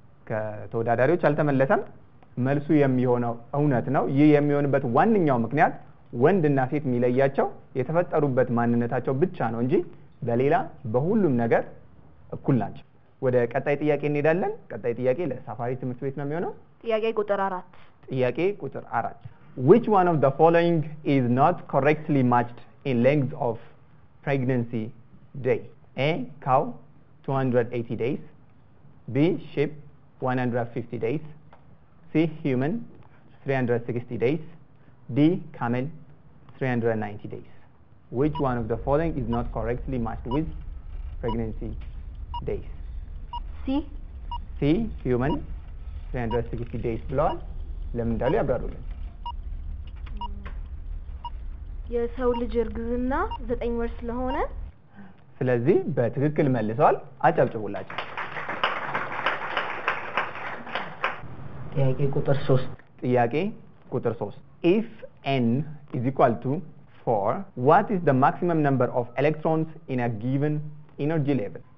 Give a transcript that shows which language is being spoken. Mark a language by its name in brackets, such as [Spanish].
[Amharic] ከተወዳዳሪዎች አልተመለሰም መልሱ የሚሆነው እውነት ነው ይህ የሚሆነበት ዋንኛው ምክንያት ወንድና ሴት የሚለያቸው የተፈጠሩበት ማንነታቸው ብቻ ነው እንጂ በሌላ በሁሉም ነገር እኩል ናቸው ወደ ቀጣይ ጥያቄ እንሄዳለን ቀጣይ ጥያቄ ለሳፋሪ ትምህርት ቤት ነው የሚሆነው ጥያቄ ቁጥር 4 ጥያቄ ቁጥር 4 [English] Which one of the following is not correctly matched in length of pregnancy day. A, cow, 280 days. B, sheep, 150 days. C, human, 360 days. D, camel, 390 days. Which one of the following is not correctly matched with pregnancy days? C. C, human, 360 days blood. [Amharic] ለምንዳሉ ያብራሩልን? የሰው ልጅ እርግዝና 9 ወር ስለሆነ ስለዚህ በትክክል መልሷል አጫጭቡላችሁ። ጥያቄ ቁጥር 3 ጥያቄ ቁጥር 3 [English] if n is equal to 4 what is the maximum number of electrons in a given energy level?